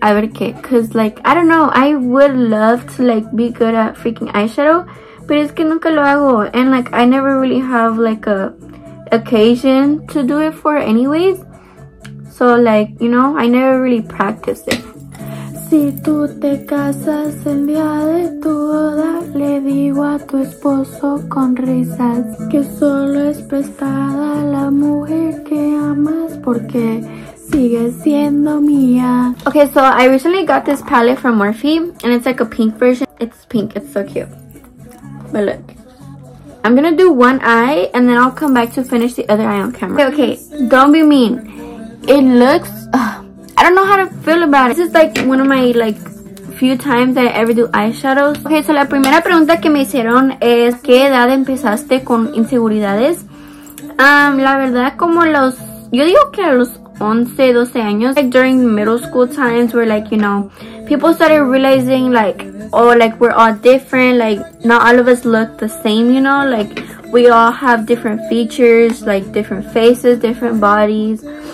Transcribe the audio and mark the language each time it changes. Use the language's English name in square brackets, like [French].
[English] I would kick because like I don't know, I would love to like be good at freaking eyeshadow. But [Spanish] es que nunca lo hago. [English] And like, I never really have like a occasion to do it for anyways. So like, you know, I never really practice it. [Spanish] Si tú te casas el día de tu boda, le digo a tu esposo con risas que solo es prestada la mujer que amas porque sigue siendo mía. [English] Okay, so I recently got this palette from Morphe and it's like a pink version. It's pink, it's so cute. But look, I'm gonna do one eye and then I'll come back to finish the other eye on camera. Okay, don't be mean. It looks, I don't know how to feel about it. This is like one of my like few times that I ever do eyeshadows. [Spanish] Okay, so la primera pregunta que me hicieron es ¿qué edad empezaste con inseguridades? La verdad como los, yo digo que a los 11, 12 años, [English] like during middle school times where like, you know, people started realizing like, oh, like we're all different, like not all of us look the same, you know, like we all have different features, like different faces, different bodies.